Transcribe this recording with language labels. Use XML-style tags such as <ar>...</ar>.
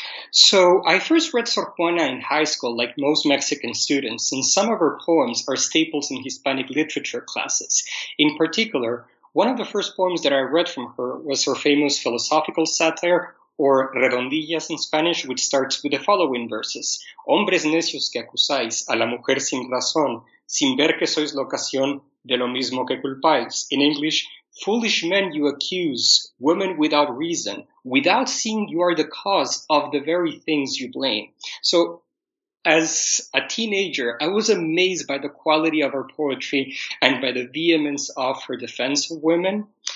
<en>So I first read Sor Juana in high school, like most Mexican students, and some of her poems are staples in Hispanic literature classes. In particular, one of the first poems that I read from her was her famous philosophical satire, or Redondillas in Spanish, which starts with the following verses.</en> <es>Hombres necios que acusáis a la mujer sin razón, sin ver que sois la ocasión de lo mismo que culpáis.</es> <en>In English, foolish men you accuse, women without reason, without seeing you are the cause of the very things you blame. So, as a teenager, I was amazed by the quality of her poetry and by the vehemence of her defense of women.</en>